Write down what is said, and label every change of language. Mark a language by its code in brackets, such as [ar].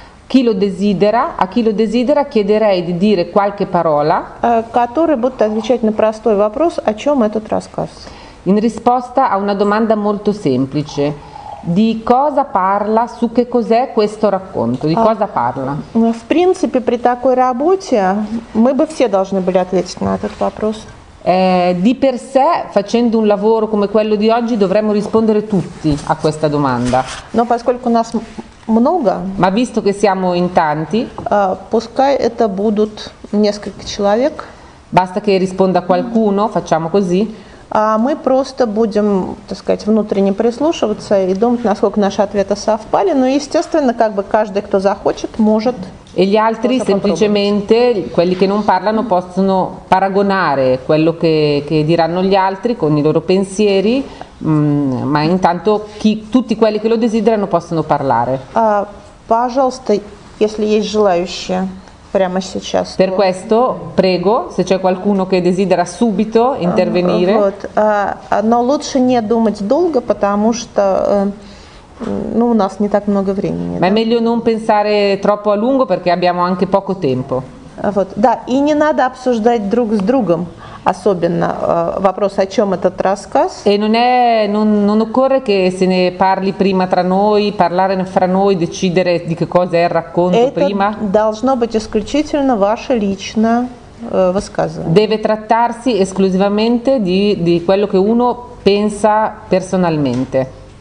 [it] Chi lo desidera, a chi lo desidera chiederei di dire qualche parola. [ru] Которые будут отвечать на простой вопрос, о чем этот рассказ. [it] In risposta a una domanda molto semplice. Di cosa parla, su che cos'è questo racconto, di cosa parla? [ru] В принципе, при такой работе мы бы все должны были ответить на этот вопрос. [it] Di per sé, facendo un lavoro come quello di oggi, dovremmo rispondere tutti a questa domanda. [ru] Но поскольку нас много, [it] ma visto che siamo in tanti, [ru] пускай это будут несколько человек. [it] Basta che risponda qualcuno, facciamo così. [ru] Мы просто будем, так сказать, внутренне прислушиваться и думать, насколько наши ответы совпали. Но, естественно, как бы каждый, кто захочет, может. [it] E gli altri semplicemente, quelli che non parlano, possono paragonare quello che diranno gli altri con i loro pensieri, ma intanto tutti quelli che lo desiderano possono parlare. [ru] Пожалуйста, если есть желающие прямо сейчас. [it] Per questo, prego, se c'è qualcuno che desidera subito intervenire. [ru] Но лучше не думать долго, потому что... Ну, у нас не так много времени. [it] Ma è meglio non pensare troppo a lungo perché abbiamo anche poco tempo. [ru] Вот. Да, и не надо обсуждать друг с другом, особенно вопрос, о чем этот рассказ. [it] E non occorre che se ne parli prima tra noi, parlare fra noi, decidere di che cosa è il racconto [ru] это [it] prima. [ru] Это должно быть исключительно ваше личное высказывание. [it] Deve trattarsi esclusivamente di quello che uno pensa personalmente.